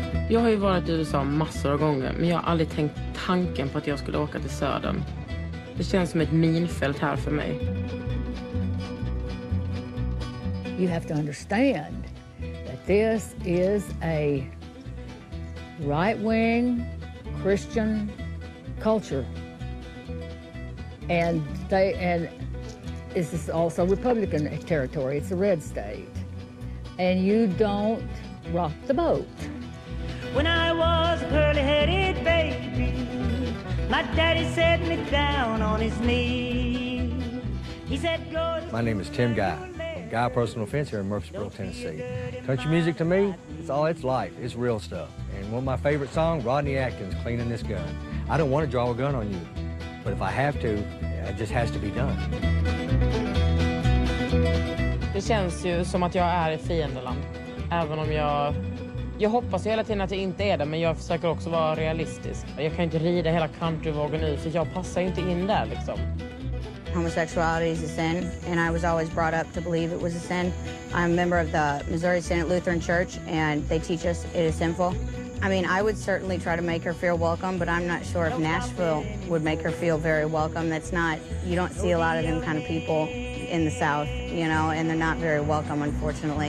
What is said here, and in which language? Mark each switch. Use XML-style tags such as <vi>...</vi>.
<sv>Jag har ju varit i USA massor av gånger, men jag har aldrig tänkt tanken på att jag skulle åka till södern. Det känns som ett minfält här för mig.</sv> <en>You have to understand that this is a right-wing Christian culture. And this is also Republican territory. It's a red state. And you don't rock the boat. When I was a curly-headed baby, my daddy set me down on his knee. He said, go. My name is Tim Guy. Guy Personal Fence here in Murfreesboro, Tennessee. Country music to me, it's all it's life. It's real stuff. And one of my favorite songs, Rodney Atkins, Cleaning This Gun. I don't want to draw a gun on you, but if I have to, it just has to be done.</en> <sv>Det känns ju som att jag är i fiendeland. Även om jag hoppas hela tiden att jag inte är det, men jag försöker också vara realistisk. Jag kan inte rida hela countryvågen ut, för jag passar inte in där liksom.</sv> <en>Homosexuality is a sin, and I was always brought up to believe it was a sin. I'm a member of the Missouri Synod Lutheran Church, and they teach us it is sinful. I mean, I would certainly try to make her feel welcome, but I'm not sure if Nashville would make her feel very welcome. That's not, you don't see a lot of them kind of people in the South, you know, and they're not very welcome, unfortunately.</en>